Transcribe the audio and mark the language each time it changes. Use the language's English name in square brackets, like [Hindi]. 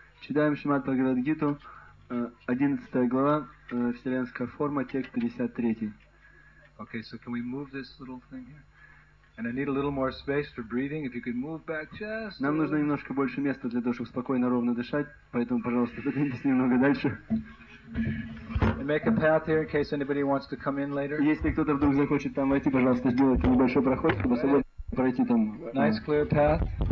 [Russian] Читаем Шримад Бхагавад-гиту, 11 глава, Вселенская форма, текст 53. [English] Okay, so can we move this little thing here? And I need a little more space for breathing. If you could move back just. [Russian] Нам нужно немножко больше места для того, чтобы спокойно ровно дышать, поэтому, пожалуйста, подвиньтесь немного дальше. [English] Make a path here in case anybody wants to come in later. [Russian] Если кто-то вдруг захочет там войти, пожалуйста, сделайте небольшой проход, чтобы свободно пройти там. [English] Nice clear path.